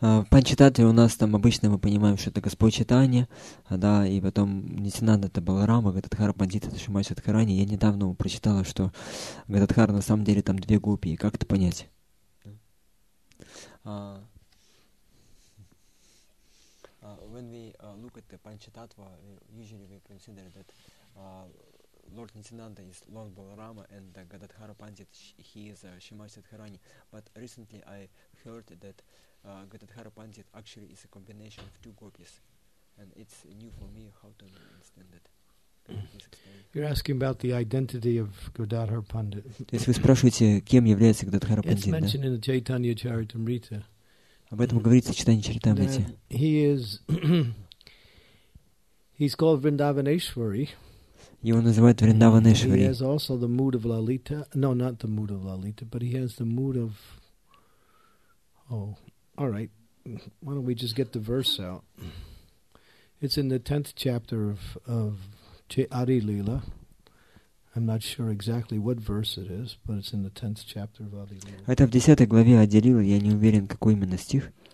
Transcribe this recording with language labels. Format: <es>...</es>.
<ru>Панчитатри у нас там обычно мы понимаем, что это Господь Читания, да, и потом Нитинанда это Баларама, Гададхара Пандит это Шримати Радхарани. Я недавно прочитал, что Гададхара на самом деле там две гопи. Как это понять?</ru> <en>When we look at the Панчитатва, usually we consider that Lord Nityananda is Lord Balarama and the Gadadhara Pandit, he is Shrimati Radharani. But recently I heard that Gadadhara Pandit actually is a combination of two gopis. And it's new for me how to understand that. You're asking about the identity of Gadadhara Pandit.</en> <ru>Если вы спрашиваете, кем является Gadadhara Pandit,</ru> <en>it's mentioned in the Chaitanya Charitamrita.</en> <ru>Об этом говорится в Читании Чаритамрите.</ru> <en>He is... he's called Vrindavaneshwari.</en> <ru>Его называют Вриндаванешвари.</ru> <en>He has also the mood of Lalita. No, not the mood of Lalita, but he has the mood of... Oh, all right. Why don't we just get the verse out? It's in the 10th chapter of Ari Lila. I'm not sure exactly what verse it is, but it's in the 10th chapter of Ari Lila.</en> <ru>Это в 10 главе Ари Лилы, я не уверен, какой именно стих.</ru>